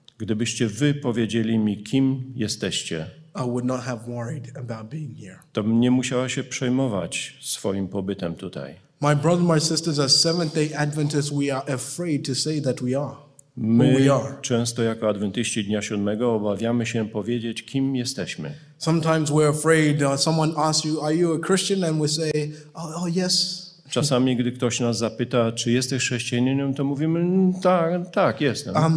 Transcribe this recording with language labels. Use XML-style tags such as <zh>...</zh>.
<pl>gdybyście wy powiedzieli mi, kim jesteście,</pl> <en>I would not have worried about being here.</en> <pl>To bym nie musiała się przejmować swoim pobytem tutaj.</pl> <en>My brothers, my sisters, as Seventh-day Adventists, we are afraid to say that we are.</en> <pl>My często jako adwentyści dnia siódmego obawiamy się powiedzieć, kim jesteśmy.</pl> <en>Sometimes we're afraid someone asks you, are you a Christian? And we say, oh yes.</en> <pl>Czasami, gdy ktoś nas zapyta, czy jesteś chrześcijaninem, to mówimy, tak, jestem.</pl>